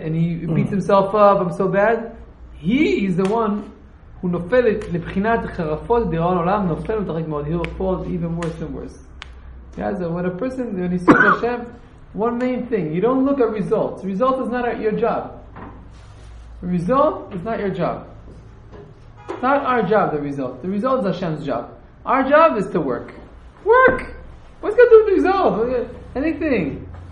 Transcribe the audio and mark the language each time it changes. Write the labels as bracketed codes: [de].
[en] And he beats himself up, I'm so bad. He is the one who [he] נופל לבחינת חרפות דיראון עולם, נופל ומתרחק מאוד. [en] He will fall even worse and worse. Yeah, so when a person, when he sees Hashem, one main thing, you don't look at results. Result is not your job. Result is not your job. It's not our job, the result. The result is Hashem's job. Our job is to work. Work! What's going to do with the result? Anything.